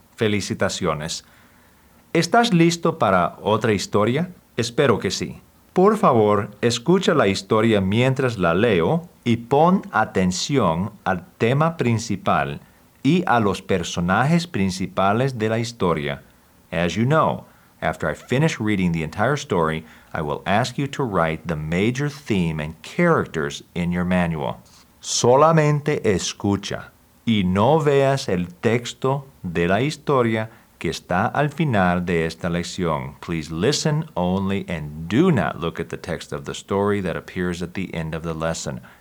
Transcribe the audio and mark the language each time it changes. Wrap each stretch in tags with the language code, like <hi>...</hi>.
<es>Felicitaciones. ¿Estás listo para otra historia? Espero que sí. Por favor, escucha la historia mientras la leo y pon atención al tema principal y a los personajes principales de la historia.</es> <en>As you know, after I finish reading the entire story, I will ask you to write the major theme and characters in your manual.</en> <es>Solamente escucha y no veas el texto de la historia que está al final de esta lección.</es> <en>Please listen only and do not look at the text of the story that appears at the end of the lesson.</en>